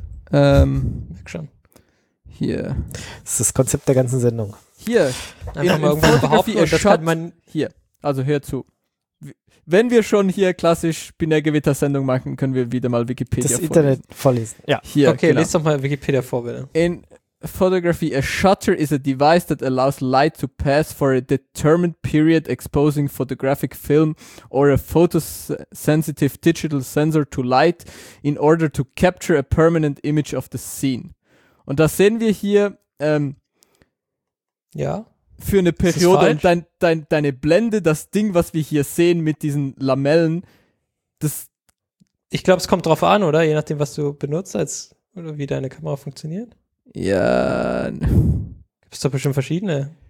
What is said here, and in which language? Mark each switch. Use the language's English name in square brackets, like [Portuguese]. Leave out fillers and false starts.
[German] Merk schon. Hier. Das ist das Konzept der ganzen Sendung. Hier. Einfach mal irgendwo behaupten, das kann man hier. Also hör zu. Wenn wir schon hier klassisch Binärgewitter-Sendung machen, können wir wieder mal Wikipedia vorlesen. Das Internet vorlesen. Ja. Hier, okay, genau. Lest doch mal Wikipedia vor, bitte. [English] In Photography, a shutter is a device that allows light to pass for a determined period exposing photographic film or a photosensitive digital sensor to light in order to capture a permanent image of the scene. [German] Und das sehen wir hier ja. Für eine Periode. Und deine Blende, das Ding, was wir hier sehen mit diesen Lamellen, das... Ich glaube, es kommt drauf an, oder? Je nachdem, was du benutzt, als oder wie deine Kamera funktioniert. Ja. Gibt es doch bestimmt verschiedene.